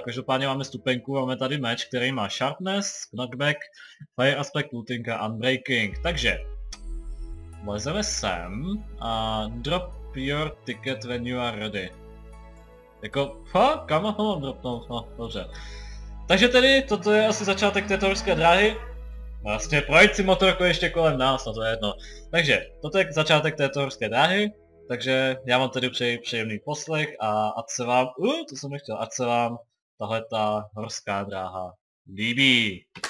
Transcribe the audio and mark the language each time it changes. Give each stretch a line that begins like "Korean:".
Czech: Každopádně máme stupenku, máme tady meč, který má sharpness, knockback, fire aspect, looting a unbreaking, takže... Vlezeme sem a
English: drop your ticket when you are ready.
Czech: Jako, ha, kam ho mám dropnout, no, dobře. Takže tedy, toto je asi začátek této horské dráhy. Vlastně projít si motorku ještě kolem nás, no to je jedno. Takže, toto je začátek této horské dráhy. Takže já vám tedy přeji příjemný poslech a ať se vám, ať se vám tahleta horská dráha líbí.